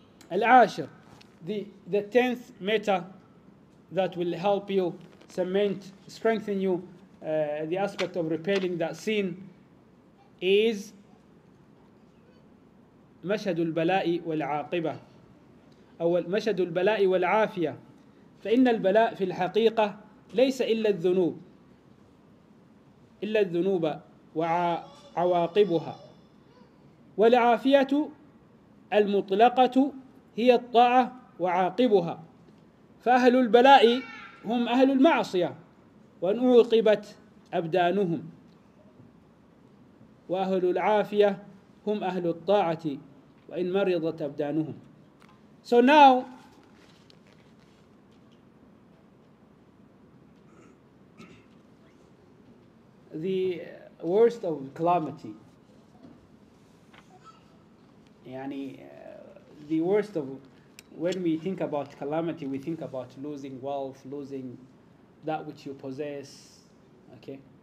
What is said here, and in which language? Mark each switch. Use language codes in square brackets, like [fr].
[en] Al-Ashir, The tenth meta that will help you cement, strengthen you, the aspect of repelling that sin is [ar] مشهد البلاء والعاقبة أو مشهد البلاء والعافية. فإن البلاء في الحقيقة ليس إلا الذنوب وعواقبها, والعافية المطلقة هي الطاعة وعاقبها. فأهل البلاء هم أهل المعصية وإن عوقبت أبدانهم, وأهل العافية هم أهل الطاعة وإن مرضت أبدانهم. [en] So now the worst of calamity, يعني the worst of, when we think about calamity, we think about losing wealth, losing that which you possess, okay?